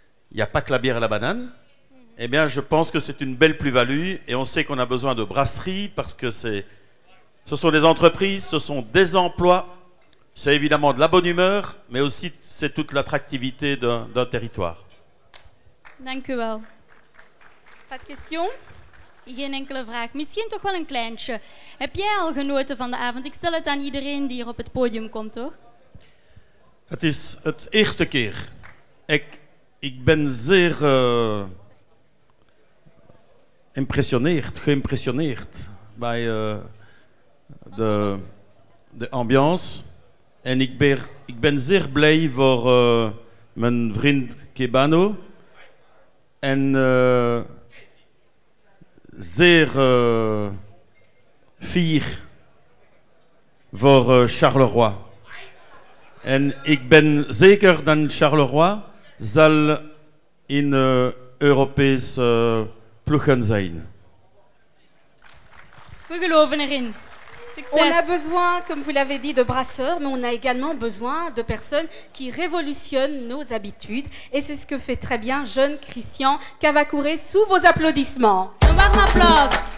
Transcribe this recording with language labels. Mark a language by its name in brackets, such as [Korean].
[French] il n'y a pas que la bière et la banane, eh bien, je pense que c'est une belle plus-value, et on sait qu'on a besoin de brasseries, parce que ce sont des entreprises, ce sont des emplois, c'est évidemment de la bonne humeur, mais aussi c'est toute l'attractivité d'un territoire. [Dutch] Dank u wel. [French] Pas de questions? [Dutch] Geen enkele vraag. Misschien toch wel een kleintje. Heb jij al genoten van de avond? Ik stel het aan iedereen die hier op het podium komt, hoor. Het is het eerste keer. Ik ben zeer geïmpressioneerd bij de ambiance. En ik ben zeer blij voor mijn vriend Kebano. En zeer fier voor Charleroi. En ik ben zeker dat Charleroi zal in Europese ploegen zijn. We geloven erin. Succes. [French] On a besoin, comme vous l'avez dit, de brasseurs, mais on a également besoin de personnes qui révolutionnent nos habitudes. Et c'est ce que fait très bien jeune Christian Cavacouré sous vos applaudissements. On va m'applaudir.